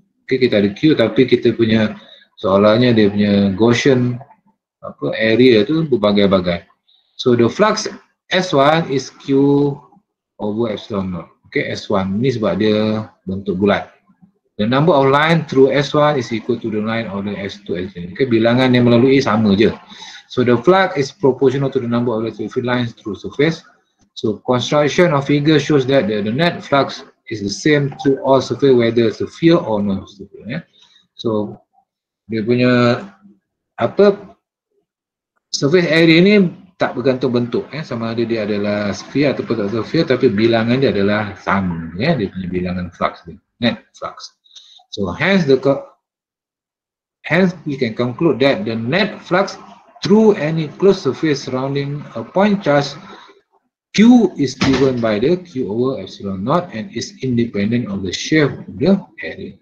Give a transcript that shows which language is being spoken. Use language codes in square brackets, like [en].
[ms] Okay, kita ada Q tapi kita punya seolahnya dia punya Gaussian area tu berbagai-bagai. [en] So the flux S1 is Q over epsilon naught. [ms] Okay, S1 ni sebab dia bentuk bulat. [en] The number of line through S1 is equal to the line of the S2. [ms] Okay, bilangan yang melalui sama je. [en] So the flux is proportional to the number of electric field lines through surface. So construction of figure shows that the net flux is the same to all surface, whether sphere or non-sphere. Yeah. [ms] So dia punya apa, surface area ni tak bergantung bentuk, eh, sama ada dia adalah sphere ataupun tak sphere, tapi bilangan dia adalah sama, ya, yeah, dia punya bilangan flux dia. [en] net flux. So hence we can conclude that the net flux through any closed surface surrounding a point charge Q is given by the Q over epsilon naught and is independent of the shape of the area.